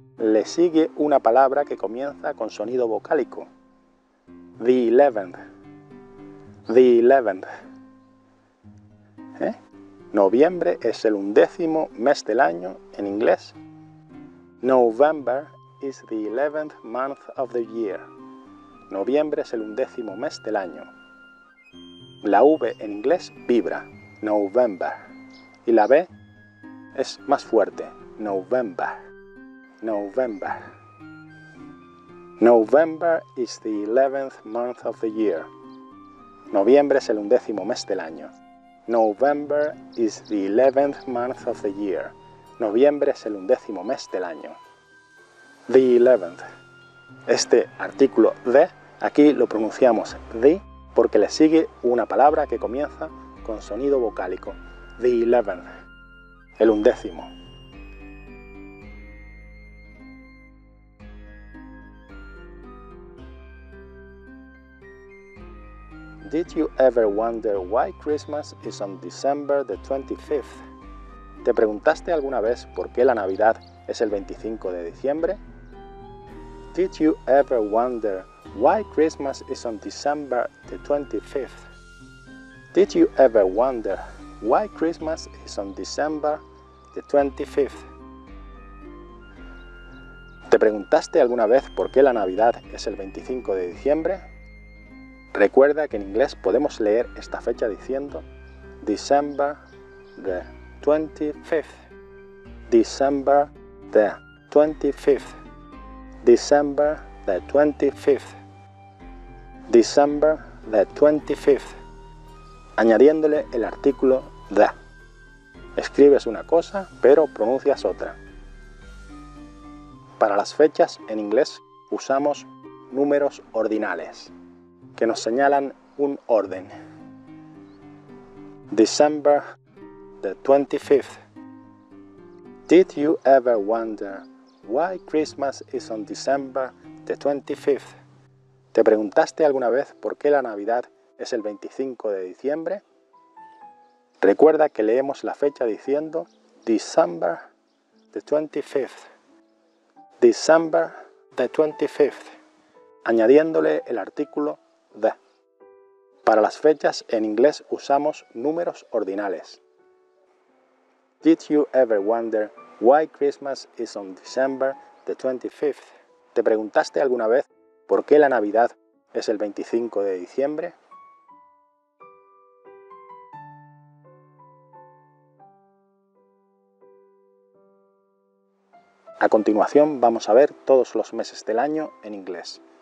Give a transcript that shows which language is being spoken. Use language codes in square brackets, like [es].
[es] Le sigue una palabra que comienza con sonido vocálico. [en] The 11th. The 11th. [es] ¿Eh? Noviembre es el undécimo mes del año en inglés. [en] November is the 11th month of the year. [es] Noviembre es el undécimo mes del año. La V en inglés vibra. November. Y la B es más fuerte. November. November. [en] November is the 11th month of the year. [es] Noviembre es el undécimo mes del año. [en] November is the 11th month of the year. [es] Noviembre es el undécimo mes del año. [en] The 11th. [es] Este artículo de, aquí lo pronunciamos the, porque le sigue una palabra que comienza con sonido vocálico. [en] The 11th. [es] El undécimo. [en] Did you ever wonder why Christmas is on December the 25th? [es] ¿Te preguntaste alguna vez por qué la Navidad es el 25 de diciembre? [en] Did you ever wonder why Christmas is on December the 25th? Did you ever wonder why Christmas is on December the 25th? [es] ¿Te preguntaste alguna vez por qué la Navidad es el 25 de diciembre? Recuerda que en inglés podemos leer esta fecha diciendo [en] December the 25th. December the 25th. December the 25th. December the 25th. [es] Añadiéndole el artículo the. Escribes una cosa, pero pronuncias otra. Para las fechas en inglés usamos números ordinales, que nos señalan un orden. [en] December the 25th. Did you ever wonder why Christmas is on December the 25th? [es] ¿Te preguntaste alguna vez por qué la Navidad es el 25 de diciembre? Recuerda que leemos la fecha diciendo [en] December the 25th. December the 25th. [es] Añadiéndole el artículo the. Para las fechas en inglés usamos números ordinales. [en] Did you ever wonder why Christmas is on December the 25th? [es] ¿Te preguntaste alguna vez por qué la Navidad es el 25 de diciembre? A continuación vamos a ver todos los meses del año en inglés.